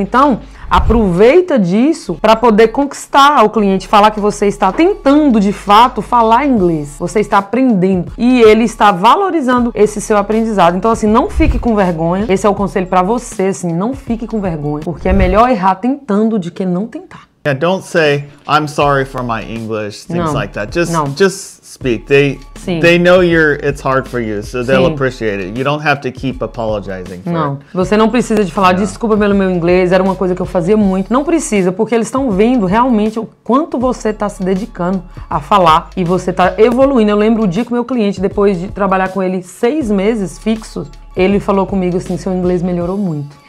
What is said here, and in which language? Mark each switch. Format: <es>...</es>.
<pt>Então, aproveita disso para poder conquistar o cliente, falar que você está tentando, de fato, falar inglês. Você está aprendendo. E ele está valorizando esse seu aprendizado. Então, assim, não fique com vergonha. Esse é o conselho para você, assim, não fique com vergonha. Porque é melhor errar tentando do que não tentar.</pt> <en>Yeah, don't say, I'm sorry for my English, things like that. Just speak. They know it's hard for you, so they'll appreciate it. You don't have to keep apologizing for it.</en> <pt>Você não precisa de falar, desculpa pelo meu inglês, era uma coisa que eu fazia muito. Não precisa, porque eles estão vendo realmente o quanto você está se dedicando a falar e você está evoluindo. Eu lembro o dia que meu cliente, depois de trabalhar com ele 6 meses fixos, ele falou comigo assim, seu inglês melhorou muito.</pt>